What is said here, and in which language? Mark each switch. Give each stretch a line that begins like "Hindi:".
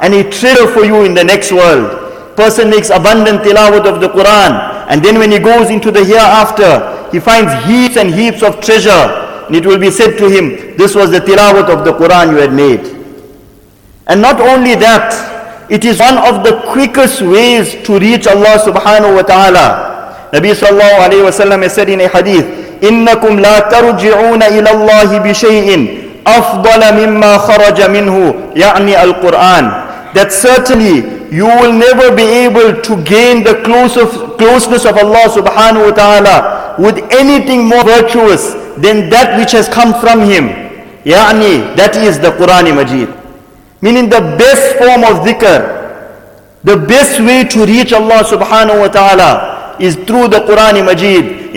English: And a treasure for you in the next world. Person makes abundant tilawat of the Quran. And then when he goes into the hereafter, He finds heaps and heaps of treasure. And it will be said to him, this was the tilawat of the Quran you had made. And not only that, it is one of the quickest ways to reach Allah subhanahu wa ta'ala. Nabi sallallahu alayhi wa sallam has said in a hadith,
Arabic: إِنَّكُمْ لَا تَرُجِعُونَ إِلَى اللَّهِ بِشَيْءٍ أَفْضَلَ مِمَّا خَرَجَ مِنْهُ يَعْنِي الْقُرْآنِ.
English: That certainly you will never be able to gain the closeness of Allah subhanahu wa ta'ala with anything more virtuous than that which has come from Him. Ya'ni, that is the Qur'an-i Majeed. Meaning the best form of dhikr, the best way to reach Allah subhanahu wa ta'ala is through the Qur'an-i Majeed.